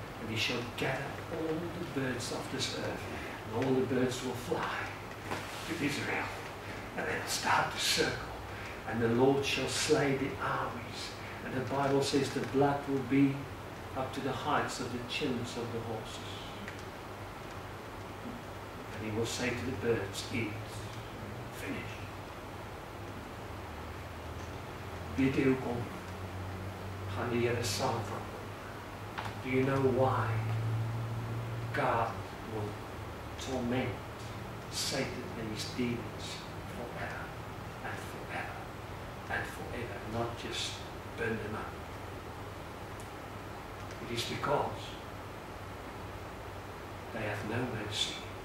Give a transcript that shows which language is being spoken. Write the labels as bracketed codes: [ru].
[en] And he shall gather all the birds of this earth, and all the birds will fly to Israel, and they'll start to circle, and the Lord shall slay the armies. And the Bible says the blood will be up to the heights of the chins of the horses. And he will say to the birds, eat, finish. [af] Weet jy hoekom gaan die Here saam van? [en] Do you know why God will torment Satan and his demons forever and forever and forever, not just burn them up? It is because they have no mercy.